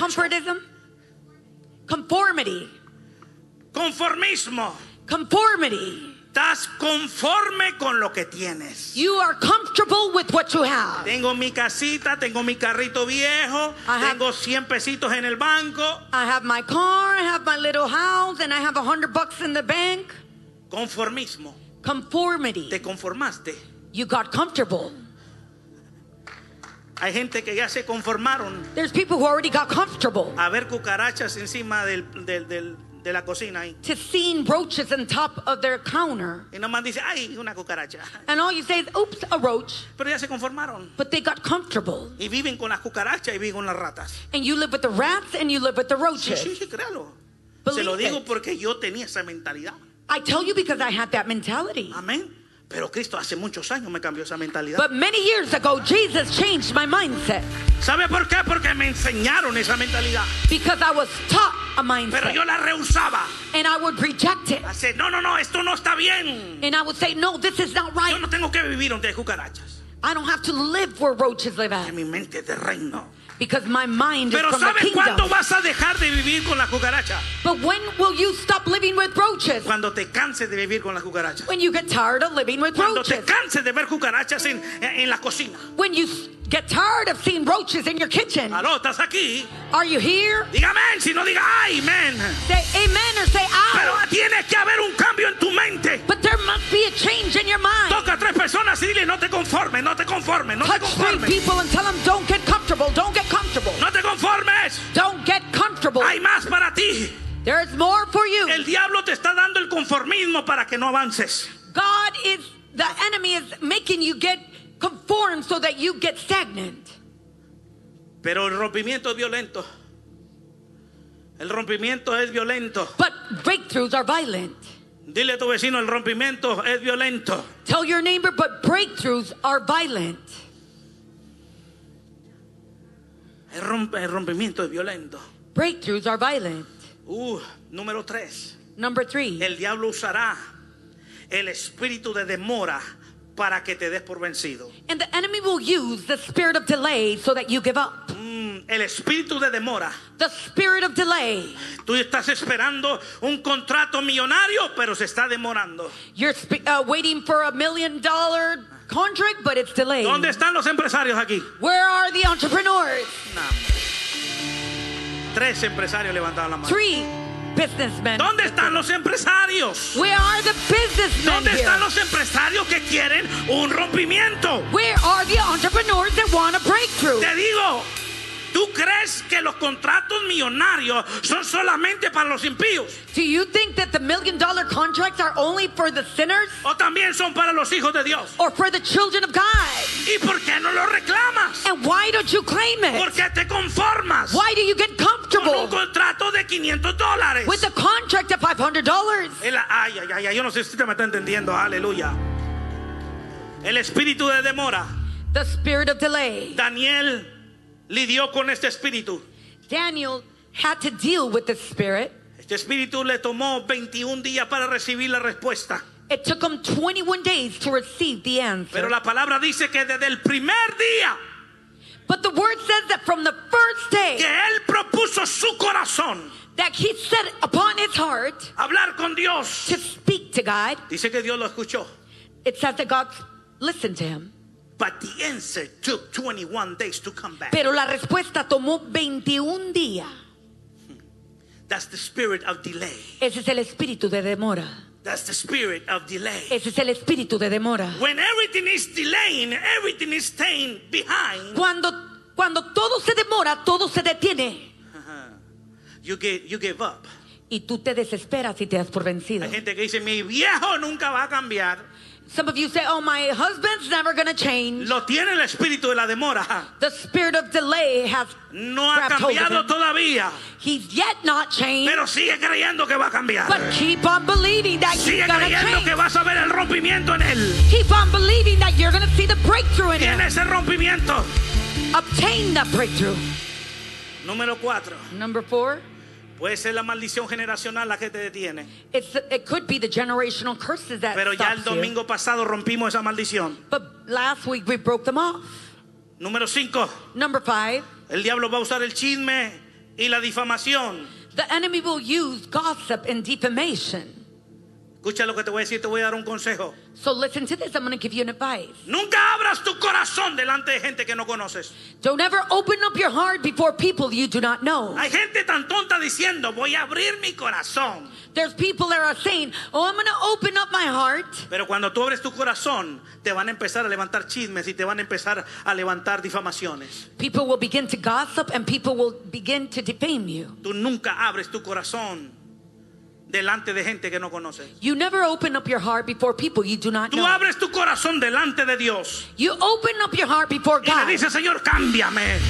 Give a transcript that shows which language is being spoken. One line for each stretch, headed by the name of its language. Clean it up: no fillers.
English: Comfortism. Conformity.
Spanish: Conformismo.
English: Conformity.
Spanish: Estás conforme con lo que tienes.
English: You are comfortable with what you have.
Spanish: Tengo mi casita, tengo mi carrito viejo, tengo 100 pesitos en el banco.
English: I have my car, I have my little house, and I have 100 bucks in the bank.
Spanish: Conformismo.
English: Conformity.
Spanish: Te conformaste.
English: You got comfortable.
Spanish: Hay gente que ya se conformaron.
English: There's people who already got comfortable.
Spanish: A ver cucarachas encima del de la cocina ahí.
English: To seeing roaches on top of their counter.
Spanish: Y nomás dice, ay, una cucaracha.
English: And all you say is, oops, a roach.
Spanish: Pero ya se conformaron.
English: But they got comfortable.
Spanish: Y viven con las cucarachas y viven con las ratas. And you live with the rats and you live with the roaches. Sí, sí, sí, créalo. Se lo digo porque yo tenía esa mentalidad.
English: I tell you because I had that mentality.
Spanish: Amén. Pero Cristo hace muchos años me cambió esa mentalidad.
English: But many years ago, Jesus changed my mindset.
Spanish: ¿Sabe por qué? Porque me enseñaron esa mentalidad.
English: Because I was taught a mindset.
Spanish: Pero yo la rehusaba.
English: And I would reject it.
Spanish: Así, no, no, no, esto no está bien.
English: And I would say, no, this is not right.
Spanish: Yo no tengo que vivir donde hay cucarachas.
English: I don't have to live where roaches live at.
Spanish: Que mi mente es de reino.
English: Because my mind
Spanish: Pero Pero ¿sabe cuándo vas a dejar de vivir con las cucarachas?
English: But when will you stop living with roaches?
Spanish: Cuando te canses de vivir con las cucarachas.
English: When you get tired of living with
Spanish: Cuando
English: roaches.
Spanish: Cuando te canses de ver cucarachas en la cocina.
English: When you get tired of seeing roaches in your kitchen.
Spanish: Aló, ¿estás aquí?
English: Are you here?
Spanish: Diga amén, si no diga ay, amén.
English: Say amen or say ah.
Spanish: Pero tiene que haber un cambio en tu mente.
English: But there must be a change in your mind.
Spanish: Toca a tres personas y dile no te conformes, no te conformes, no
English: Touch
Spanish: te conformes.
English: Touch three people and tell them don't get comfortable, don't get comfortable.
Spanish: No te conformes.
English: Don't get comfortable.
Spanish: Hay más para ti.
English: There is more for you.
Spanish: El diablo te está dando el conformismo para que no avances.
English: God is, the enemy is making you get conform so that you get stagnant.
Spanish: Pero el rompimiento es violento. El rompimiento es violento.
English: But breakthroughs are violent.
Spanish: Dile a tu vecino, el rompimiento es violento.
English: Tell your neighbor, but breakthroughs are violent.
Spanish: El rompimiento es violento.
English: Breakthroughs are violent.
Spanish: Número tres.
English: Number three.
Spanish: El diablo usará el espíritu de demora para que te des por vencido.
English: And the enemy will use the spirit of delay so that you give up.
Spanish: El espíritu de demora.
English: The spirit of delay.
Spanish: Tú estás esperando un contrato millonario, pero se está demorando.
English: You're waiting for $1 million contract, but it's delayed.
Spanish: ¿Dónde están los empresarios aquí?
English: Where are the entrepreneurs?
Spanish: No. Tres empresarios levantaron la mano.
English: Three businessmen.
Spanish: ¿Dónde están los empresarios?
English: Where are the businessmen?
Spanish: ¿Dónde están
English: here?
Spanish: Los empresarios que quieren un rompimiento?
English: Where are the entrepreneurs that want a breakthrough?
Spanish: Te digo, ¿tú crees que los contratos millonarios son solamente para los impíos?
English: Do you think that the $1 million contracts are only for the sinners?
Spanish: ¿O también son para los hijos de Dios?
English: Or for the children of God?
Spanish: ¿Y por qué no lo reclamas?
English: And why don't you claim it?
Spanish: ¿Por qué te conformas?
English: Why do you get comfortable?
Spanish: Con un contrato de $500.
English: With a contract of $500.
Spanish: Ay, ay, ay, yo no sé si usted me está entendiendo. Aleluya. El espíritu de demora.
English: The spirit of delay.
Spanish: Daniel lidió con este espíritu.
English: Daniel had to deal with the spirit.
Spanish: Este espíritu le tomó 21 días para recibir la respuesta.
English: It took him 21 days to receive the answer.
Spanish: Pero la palabra dice que desde el primer día.
English: But the word says that from the first day.
Spanish: Que él propuso su corazón.
English: That he set upon his heart.
Spanish: Hablar con Dios.
English: To speak to God.
Spanish: Dice que Dios lo escuchó.
English: It says that God listened to him. But the answer took 21 days to come back.
Spanish: Pero la respuesta tomó 21 días.
English: That's the spirit of delay.
Spanish: Ese es el espíritu de demora.
English: That's the spirit of delay.
Spanish: Ese es el espíritu de demora.
English: When everything is delaying, everything is staying behind.
Spanish: Cuando todo se demora, todo se detiene.
English: You give up.
Spanish: Y tú te desesperas y te das por vencido. Hay gente que dice, mi viejo nunca va a cambiar.
English: Some of you say, oh, my husband's never going to change.
Spanish: Lo tiene el espíritu de la demora.
English: The spirit of delay has
Spanish: no ha cambiado todavía.
English: He's yet not changed.
Spanish: Pero sigue creyendo que va a cambiar.
English: But keep on believing that
Spanish: sigue
English: he's going to change.
Spanish: Sigue creyendo que vas a ver el rompimiento en él.
English: Keep on believing that you're going to see the breakthrough in
Spanish: ¿Tienes
English: him.
Spanish: El rompimiento?
English: Obtain the breakthrough.
Spanish: Número cuatro.
English: Number four.
Spanish: Puede ser la maldición generacional la que te detiene.
English: It could be the generational curses that
Spanish: Pero ya el domingo pasado rompimos esa maldición.
English: But last week we broke them off.
Spanish: Número cinco.
English: Number five.
Spanish: El diablo va a usar el chisme y la difamación.
English: The enemy will use gossip and defamation.
Spanish: Escucha lo que te voy a decir, te voy a dar un consejo.
English: So listen to this, I'm going to give you an advice.
Spanish: Nunca abras tu corazón delante de gente que no conoces.
English: Don't ever open up your heart before people you do not know.
Spanish: Hay gente tan tonta diciendo, voy a abrir mi corazón.
English: There's people that are saying, oh, I'm going to open up my heart.
Spanish: Pero cuando tú abres tu corazón, te van a empezar a levantar chismes y te van a empezar a levantar difamaciones.
English: People will begin to gossip and people will begin to defame you.
Spanish: Tú nunca abres tu corazón delante de gente que no conoces.
English: You never open up your heart before people you do not know.
Spanish: Tú abres tu corazón delante de Dios.
English: You open up your heart before God.
Spanish: Y le dices, Señor, cámbiame.